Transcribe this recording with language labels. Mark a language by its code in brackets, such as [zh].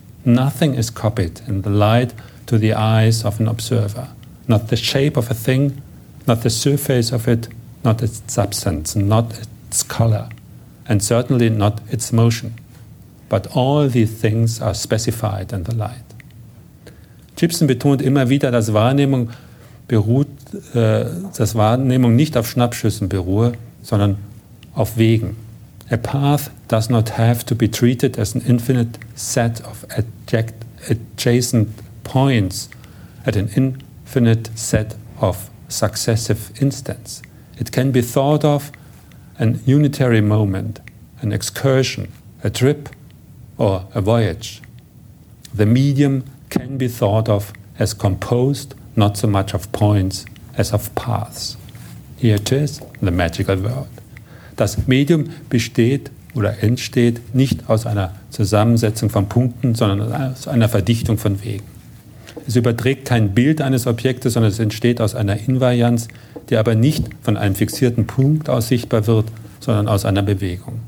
[en] Nothing is copied in the light to the eyes of an observer. Not the shape of a thing, not the surface of it, not its substance, not its color, and certainly not its motion. But all these things are specified in the light. [de] Gibson betont immer wieder, dass Wahrnehmung beruht, dass Wahrnehmung nicht auf Schnappschüssen beruhe, sondern auf Wegen. [en] A path does not have to be treated as an infinite set of adjacent points at an infinite set of successive instants. It can be thought of an unitary moment, an excursion, a trip, or a voyage. The medium can be thought of as composed not so much of points as of paths. Here it is, the magical word. [de] Das Medium besteht oder entsteht nicht aus einer Zusammensetzung von Punkten, sondern aus einer Verdichtung von Wegen. Es überträgt kein Bild eines Objektes, sondern es entsteht aus einer Invarianz, die aber nicht von einem fixierten Punkt aus sichtbar wird, sondern aus einer Bewegung.